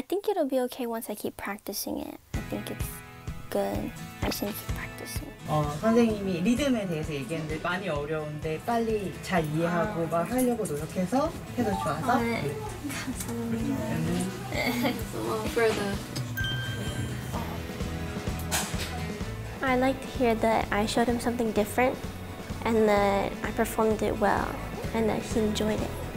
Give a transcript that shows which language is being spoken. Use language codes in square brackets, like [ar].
[en] It'll be okay once I keep practicing it. I think it's good. I should keep practicing. [ko] 선생님이 리듬에 대해서 얘기했는데 많이 어려운데 빨리 잘 이해하고 막 하려고 노력해서 해도 좋아서. 네. 감사합니다. [en] I like to hear that I showed him something different and that I performed it well and that he enjoyed it.